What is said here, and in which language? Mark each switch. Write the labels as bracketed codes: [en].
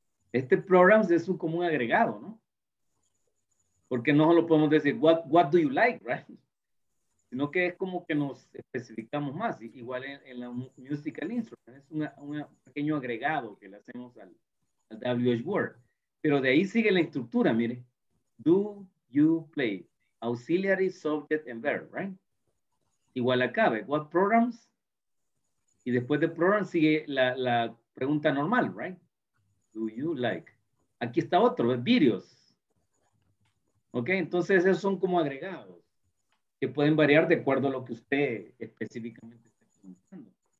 [es] Este programs es un común agregado, ¿no? Porque no solo podemos decir, [en] what do you like, right? [es] Sino que es como que nos especificamos más. Igual en la musical instrument, es un pequeño agregado que le hacemos al WH word. Pero de ahí sigue la estructura, mire. [en] Do you play auxiliary, subject, and verb, right? [es] Igual acá, what programs? Y después de programs sigue la pregunta normal, right? [en] Do you like? [es] Aquí está otro, videos. Ok, entonces esos son como agregados que pueden variar de acuerdo a lo que usted específicamente está preguntando.